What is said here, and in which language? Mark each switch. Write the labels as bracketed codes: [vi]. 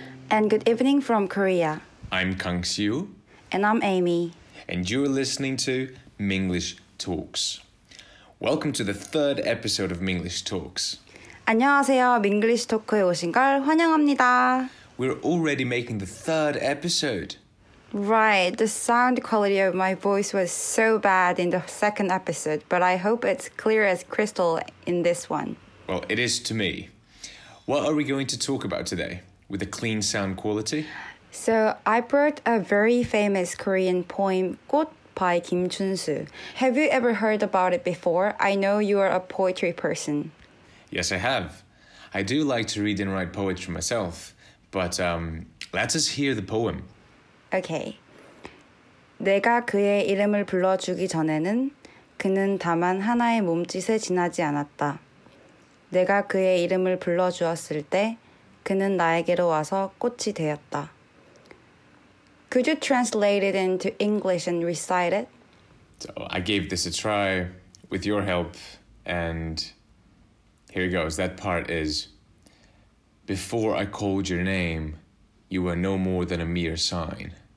[en] And good evening from Korea. I'm Kang Siu. And I'm Amy. And you're listening to Minglish Talks. Welcome to the third episode of Minglish Talks. [ko] 안녕하세요. Minglish Talk에 오신 걸 환영합니다. [en] We're already making the third episode. Right, the sound quality of my voice was so bad in the second episode, but I hope it's clear as crystal in this one. Well, it is to me. What are we going to talk about today with a clean sound quality? So I brought a very famous Korean poem, 꽃 by Kim Chun-su. Have you ever heard about it before? I know you are a poetry person. Yes, I have. I do like to read and write poetry myself, but let us hear the poem. Okay. [ko] 내가 그의 이름을 불러주기 전에는 그는 다만 하나의 몸짓에 지나지 않았다. 내가 그의 이름을 불러주었을 때 그는 나에게로 와서 꽃이 되었다. [en] Could you translate it into English and recite it? So I gave this a try with your help, and here it goes. That part is, before I called your name, you were no more than a mere sign.